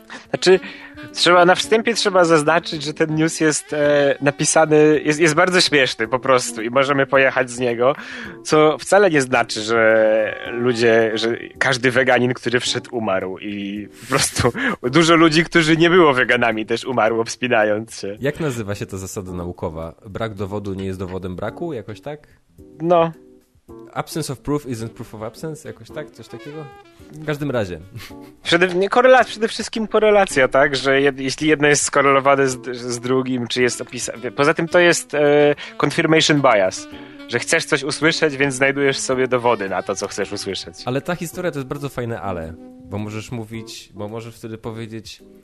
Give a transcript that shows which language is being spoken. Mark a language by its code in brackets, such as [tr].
[pl] Znaczy, na wstępie trzeba zaznaczyć, że ten news jest napisany, jest bardzo śmieszny po prostu i możemy pojechać z niego, co wcale nie znaczy, że ludzie, że każdy weganin, który wszedł, umarł i po prostu dużo ludzi, którzy nie było weganami, też umarło wspinając się. Jak nazywa się ta zasada naukowa? Brak dowodu nie jest dowodem braku? Jakoś tak? No. [en] Absence of proof isn't proof of absence? [pl] Jakoś tak? Coś takiego? W każdym razie. Przede wszystkim korelacja, tak? Że jeśli jedno jest skorelowane z drugim, czy jest opisane... Poza tym to jest confirmation bias. Że chcesz coś usłyszeć, więc znajdujesz sobie dowody na to, co chcesz usłyszeć. Ale ta historia to jest bardzo fajne ale. Bo możesz wtedy powiedzieć...